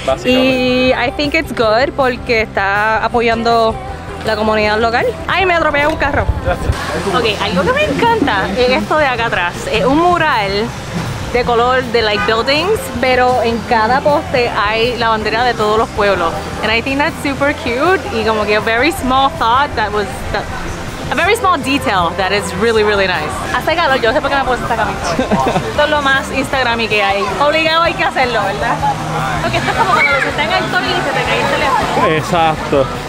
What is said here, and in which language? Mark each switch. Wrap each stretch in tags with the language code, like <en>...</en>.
<es>Y</es> <en>I think it's good</en> <es>porque está apoyando la comunidad local. ¡Ay, me atropellé un carro! Ok, algo que me encanta es esto de acá atrás. Es un mural de color de</es> <en>like buildings,</en> <es>pero en cada poste hay la bandera de todos los pueblos.</es> <en>And I think that's super cute</en> <es>y como que</es> <en>a very small thought that was that, a very small detail that is really really nice.</en> <es>Hasta el calor, yo sé por qué me puse esta camisa. Esto es lo más Instagram-y que hay. Obligado hay que hacerlo, ¿verdad? Porque esto es como cuando se está en el sol y se te cae el teléfono. Exacto.</es>